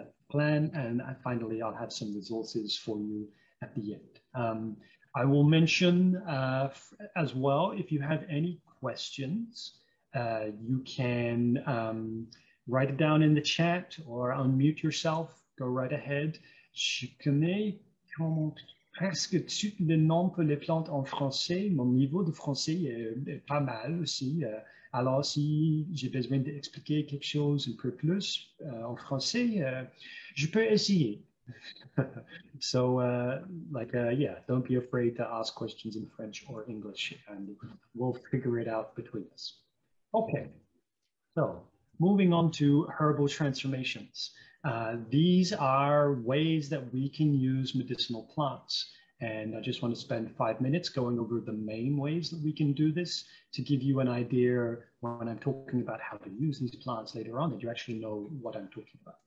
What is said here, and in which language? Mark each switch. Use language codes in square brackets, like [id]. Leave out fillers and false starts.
[en] Plan, and finally I'll have some resources for you at the end. I will mention as well, if you have any questions, you can write it down in the chat or unmute yourself. Go right ahead. [fr] Je connais presque toutes les noms pour les plantes en français. Mon niveau de français est pas mal aussi. Alors si j'ai besoin d'expliquer quelque chose un peu plus en français, je peux essayer. [en] So, yeah, don't be afraid to ask questions in French or English, and we'll figure it out between us. Okay, so moving on to herbal transformations. These are ways that we can use medicinal plants, and I just want to spend 5 minutes going over the main ways that we can do this to give you an idea when I'm talking about how to use these plants later on, that you actually know what I'm talking about.